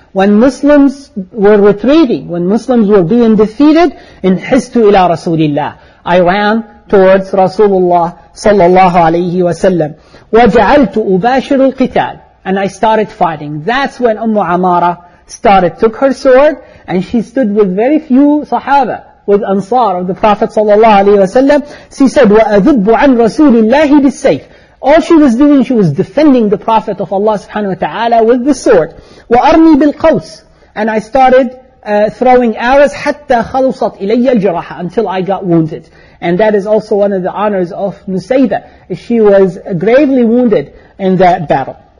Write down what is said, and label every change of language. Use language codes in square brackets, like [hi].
[en] When Muslims were retreating, when Muslims were being defeated, in [ar] حِسْتُ إِلَىٰ رَسُولِ اللَّهِ, [en] I ran towards Rasulullah sallallahu alayhi wa sallam. [ar] وَجَعَلْتُ أُبَاشِرُ الْقِتَالِ. [en] And I started fighting. That's when Umm Amara started, took her sword, and she stood with very few sahaba, with ansar of the Prophet sallallahu alayhi wa sallam. She said, [ar] وَأَذُبُّ عَنْ رَسُولِ اللَّهِ بِالسَّيْفِ. [en] All she was doing, she was defending the Prophet of Allah subhanahu wa ta'ala with the sword. [ar] وَأَرْمِي بِالْقَوْسِ. [en] And I started throwing arrows, [ar] حَتَّى خَلُصَتْ إِلَيَّ الْجَرَحَ, [en] until I got wounded. And that is also one of the honors of Nusayda. She was gravely wounded in that battle.